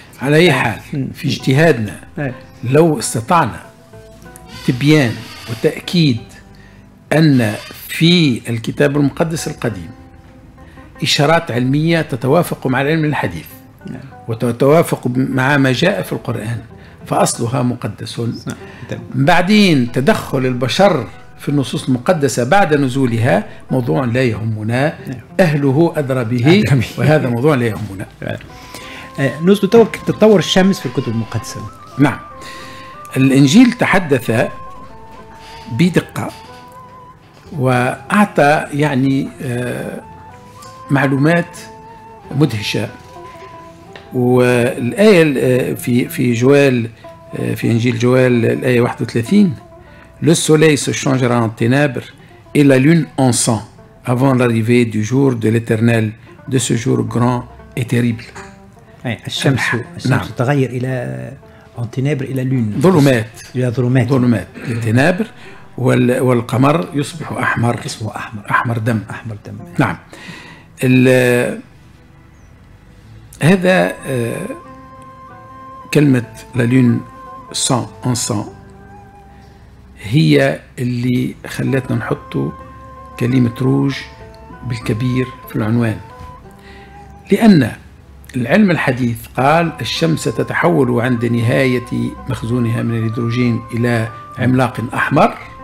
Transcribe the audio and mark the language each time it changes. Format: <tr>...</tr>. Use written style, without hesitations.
<ar>على أي حال في اجتهادنا لو استطعنا تبيان وتأكيد أن في الكتاب المقدس القديم إشارات علمية تتوافق مع العلم الحديث وتتوافق مع ما جاء في القرآن فأصلها مقدس، بعدين تدخل البشر في النصوص المقدسة بعد نزولها موضوع لا يهمنا، أهله أدرى به وهذا موضوع لا يهمنا. نزول تطور الشمس في الكتب المقدسة. نعم، الإنجيل تحدث بدقة وأعطى يعني معلومات مدهشة، والآية في جوال في إنجيل جوال الآية 31</ar> <fr>le soleil se changera en ténèbres et la lune en sang avant l'arrivée du jour de l'éternel de ce jour grand et terrible.</fr> <ar>الشمس تتغير إلى</ar> <fr>en ténèbres et la lune</fr> <ar>ظلمات إلى ظلمات ظلمات التنابر والقمر يصبح أحمر اسمه أحمر أحمر دم أحمر دم. نعم هذا كلمة</ar> <fr>la lune</fr> <ar>سان أنسان هي اللي خلتنا نحطوا كلمة روج بالكبير في العنوان، لأن العلم الحديث قال الشمس تتحول عند نهاية مخزونها من الهيدروجين إلى عملاق أحمر،</ar>